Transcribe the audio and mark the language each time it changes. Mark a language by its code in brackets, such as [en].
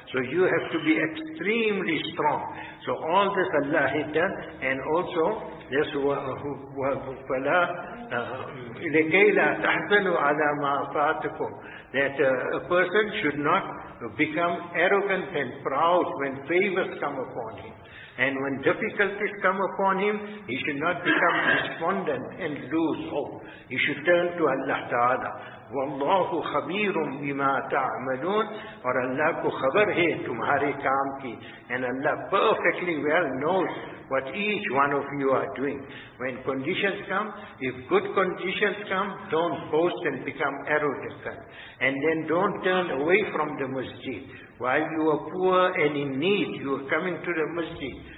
[en] So you have to be extremely strong. So all this Allah has done, and also this wala [ar] لَكَيْ لَا تَحْزَنُوا عَلَى مَا فَاتَكُمْ, [en] that a person should not become arrogant and proud when favors come upon him. And when difficulties come upon him, he should not become despondent and lose hope. He should turn to Allah Ta'ala. [ar] وَاللَّهُ خَبِيرٌ بِمَا تَعْمَلُونَ, [ur] اور اللہ کو خبر ہے تمہارے کام کی. [en] And Allah perfectly well knows what each one of you are doing. When conditions come, if good conditions come, don't boast and become arrogant. And then don't turn away from the masjid. While you are poor and in need, you are coming to the masjid.